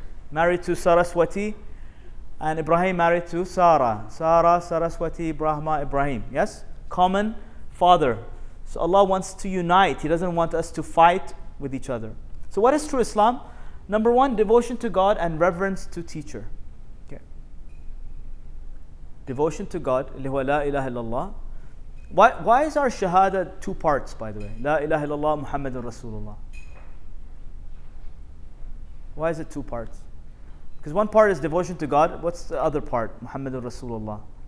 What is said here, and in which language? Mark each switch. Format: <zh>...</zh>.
<en>Married to Saraswati, and Ibrahim married to Sarah. Sarah, Saraswati, Brahma, Ibrahim. Yes? Common father. So Allah wants to unite. He doesn't want us to fight with each other. So what is true Islam? Number one, devotion to God and reverence to teacher. Okay. Devotion to God,</en> <ar>اللي هو لا إله إلا الله.</ar> <en>Why is our shahada two parts, by the way? La ilaha illallah, Muhammadun Rasulullah. Why is it two parts? Because one part is devotion to God. What's the other part? Muhammadun Rasulullah.</en>